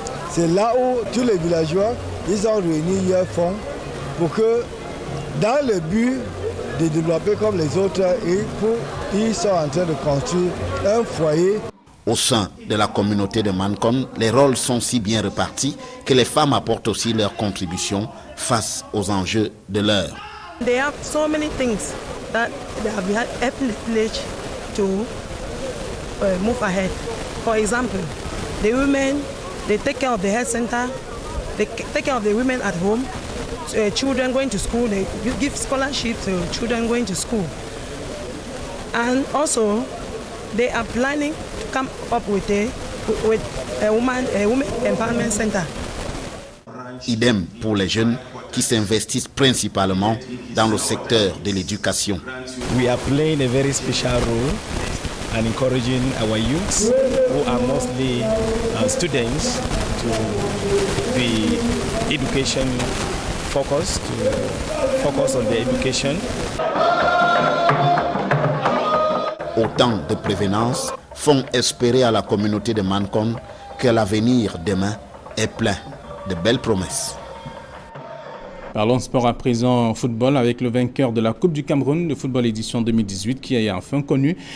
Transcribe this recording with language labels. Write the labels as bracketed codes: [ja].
[fr] C'est là où tous les villageois ils ont réuni leurs fonds pour que, dans le but de développer comme les autres, ils sont en train de construire un foyer. Au sein de la communauté de Mankon, les rôles sont si bien répartis que les femmes apportent aussi leur contribution face aux enjeux de l'heure. [en] They have so many things that they have helped the village to move ahead. For example, the women, they take care of the health center, they take care of the women at home, children going to school, they give scholarships to children going to school. And also, they are planning come up with a woman empowerment center. [fr] Idem pour les jeunes qui s'investissent principalement dans le secteur de l'éducation. [en] We are playing a very special role in encouraging our youths who are mostly students to be education focused, to focus on the education. [fr] Autant de prévenance font espérer à la communauté de Mankon que l'avenir demain est plein de belles promesses. Parlons sport à présent, football, avec le vainqueur de la Coupe du Cameroun de football édition 2018 qui a enfin connu.